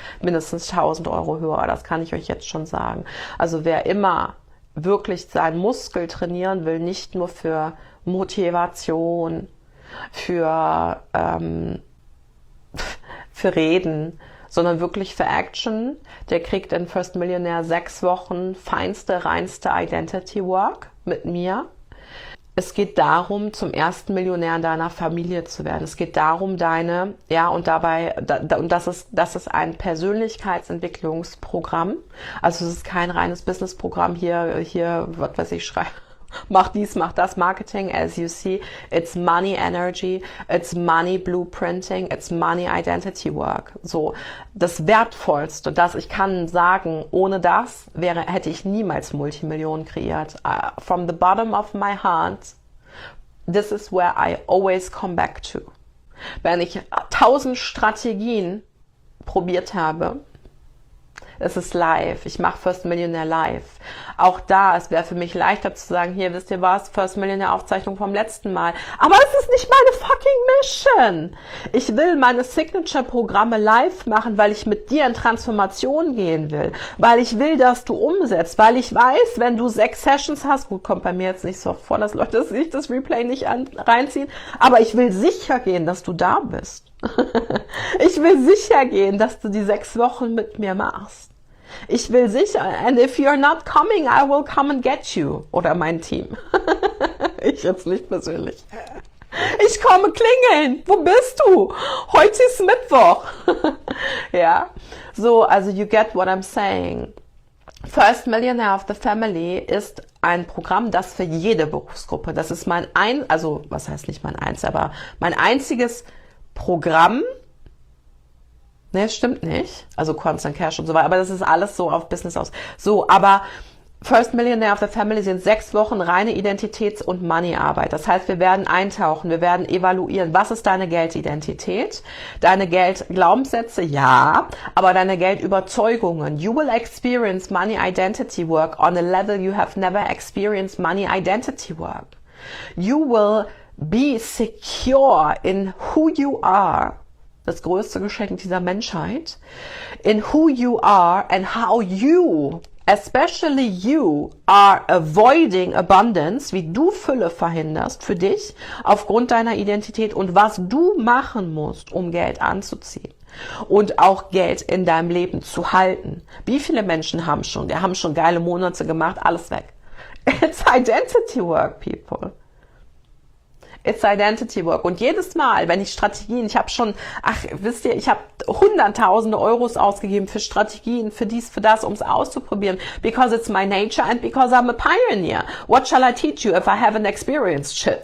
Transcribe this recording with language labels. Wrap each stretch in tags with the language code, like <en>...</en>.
<de>Mindestens 1.000 Euro höher. Das kann ich euch jetzt schon sagen. Also wer immer wirklich seinen Muskel trainieren will, nicht nur für Motivation, für Reden, sondern wirklich für Action, der kriegt in First Millionaire 6 Wochen feinste, reinste Identity Work mit mir. Es geht darum, zum ersten Millionär in deiner Familie zu werden. Es geht darum, deine, ja, und dabei, und das ist ein Persönlichkeitsentwicklungsprogramm. Also es ist kein reines Businessprogramm hier, was weiß ich, schreibe. Mach dies, mach das,</de> <en>Marketing, as you see, it's money energy, it's money blueprinting, it's money identity work.</en> <de>So, das Wertvollste, das ich kann sagen, ohne das hätte ich niemals Multimillionen kreiert.</de> <en>From the bottom of my heart, this is where I always come back to.</en> <de>Wenn ich 1.000 Strategien probiert habe, es ist live. Ich mache First Millionaire live. Auch da, es wäre für mich leichter zu sagen, hier, wisst ihr was, First Millionaire Aufzeichnung vom letzten Mal. Aber es ist nicht meine fucking Mission. Ich will meine Signature-Programme live machen, weil ich mit dir in Transformation gehen will. Weil ich will, dass du umsetzt. Weil ich weiß, wenn du 6 Sessions hast, gut, kommt bei mir jetzt nicht so vor, dass Leute sich das Replay nicht reinziehen. Aber ich will sicher gehen, dass du da bist. Ich will sicher gehen, dass du die 6 Wochen mit mir machst. Ich will sicher,</de> <en>and if you're not coming, I will come and get you.</en> <de>Oder mein Team. Ich jetzt nicht persönlich. Ich komme klingeln. Wo bist du? Heute ist Mittwoch. Ja.</de> <en>So, also you get what I'm saying.</en> <de>First Millionaire of the Family ist ein Programm, das für jede Berufsgruppe, das ist mein einziges Programm, ne, stimmt nicht, also Constant Cash und so weiter, aber das ist alles so auf Business aus. So, aber First Millionaire of the Family sind 6 Wochen reine Identitäts- und Money-Arbeit. Das heißt, wir werden eintauchen, wir werden evaluieren, was ist deine Geldidentität, deine Geldglaubenssätze, ja, aber deine Geldüberzeugungen.</de> <en>You will experience Money Identity Work on a level you have never experienced Money Identity Work. You will be secure in who you are,</en> <de>das größte Geschenk dieser Menschheit,</de> <en>in who you are and how you, especially you, are avoiding abundance,</en> <de>wie du Fülle verhinderst für dich aufgrund deiner Identität und was du machen musst, um Geld anzuziehen und auch Geld in deinem Leben zu halten. Wie viele Menschen haben schon geile Monate gemacht, alles weg.</de> <en>It's identity work, people. It's Identity Work.</en> <de>Und jedes Mal, wenn ich Strategien, ich habe hunderttausende Euros ausgegeben für Strategien, für dies, für das, um es auszuprobieren.</de> <en>Because it's my nature and because I'm a pioneer. What shall I teach you if I haven't experienced shit?</en>